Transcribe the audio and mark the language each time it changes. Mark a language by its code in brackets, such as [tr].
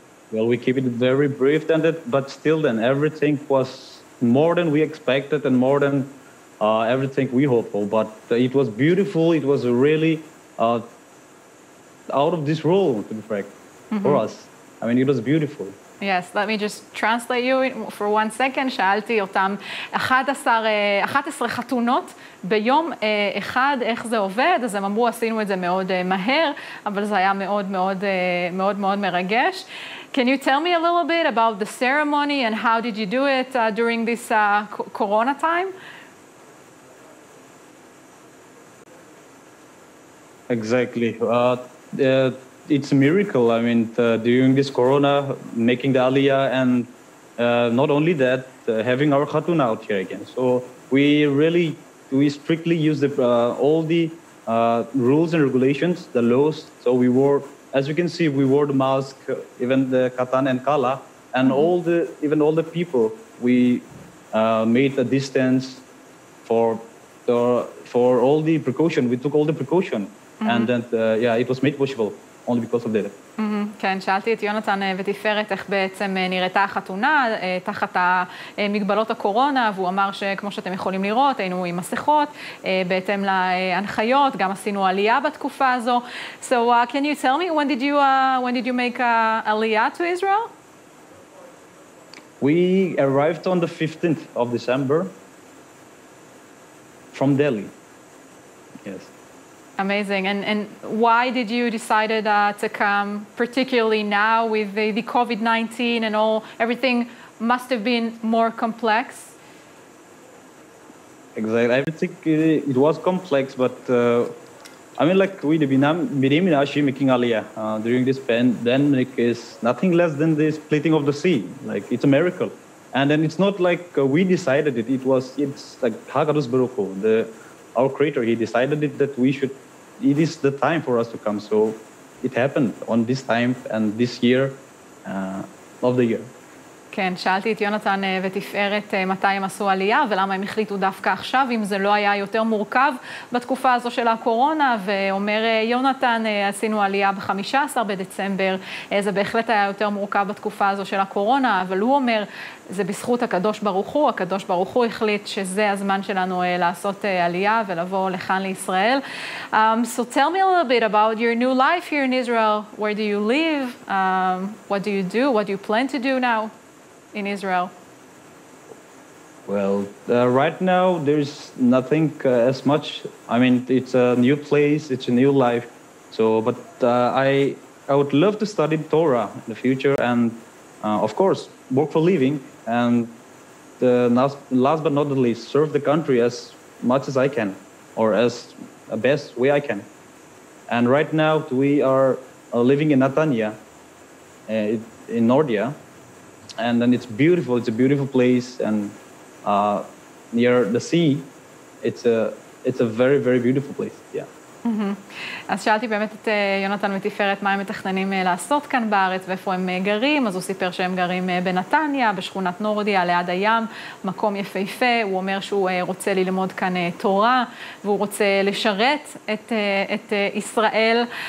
[en] Well, we keep it very brief, but still then everything was more than we expected and more than everything we hope for, but it was beautiful. It was really out of this world, to be frank, mm-hmm. for us. I mean, it was beautiful. Yes, let me just translate you for one second. [he] שאלתי אותם 11 חתונות ביום אחד, איך זה עובד? אז הם אמרו, עשינו את זה מאוד מהר, אבל זה היה מאוד מאוד מאוד מאוד מרגש. [en] Can you tell me a little bit about the ceremony and how did you do it during this corona time? Exactly. It's a miracle. I mean, during this corona, making the Aliyah, and not only that, having our Khatun out here again. So we strictly use all the rules and regulations, the laws. So we wore, as you can see, we wore the mask, even the Khatan and Kala, and mm-hmm. all the people, we made a distance for all the precaution. We took all the precaution. Mm-hmm. And then, it was made possible. only because of that. Mm-hmm. [he] כן, שאלתי את יונתן ותפארת איך בעצם נראית החתונה תחת מגבלות הקורונה, והוא אמר שכמו שאתם יכולים לראות, היינו עם מסכות בהתאם להנחיות, גם עשינו עלייה בתקופה הזו. [en] So can you tell me, when did you make aliyah to Israel? We arrived on the 15th of December from Delhi. Yes. Amazing. And why did you decide to come particularly now with the COVID-19 and all? Everything must have been more complex. Exactly. Everything, it was complex, but I mean, like we, the Binyamin and Ashi making Aliyah during this pandemic is nothing less than the splitting of the sea. Like, it's a miracle. And then it's not like we decided it. It's like HaKadosh Baruch Hu, our creator, he decided it that we should. It is the time for us to come, so it happened on this time and this year of the year. [he] כן, שאלתי את יונתן ותפארת מתי הם עשו עלייה ולמה הם החליטו דווקא עכשיו, אם זה לא היה יותר מורכב בתקופה הזו של הקורונה, ואומר יונתן, עשינו עלייה ב-15 בדצמבר, זה בהחלט היה יותר מורכב בתקופה הזו של הקורונה, אבל הוא אומר, זה בזכות הקדוש ברוך הוא, הקדוש ברוך הוא החליט שזה הזמן שלנו לעשות עלייה ולבוא לכאן לישראל. [en] So tell me a little bit about your new life here in Israel. Where do you live? What do you do? What do you plan to do now? In Israel? Well, right now there's nothing as much. I mean, it's a new place, it's a new life. So, but I would love to study Torah in the future and of course, work for a living. And last but not the least, serve the country as much as I can or as the best way I can. And right now we are living in Netanya, in Nordia. And then it's beautiful. It's a beautiful place, and near the sea, it's a very, very beautiful place. Yeah. [he] אז שאלתי באמת את יונתן מתפארת מה הם מתכננים לעשות כאן בארץ ואיפה הם גרים, אז הוא סיפר שהם גרים בנתניה, בשכונת נורדיה, ליד הים, מקום יפהפה. הוא אומר שהוא רוצה ללמוד כאן תורה והוא רוצה לשרת את ישראל.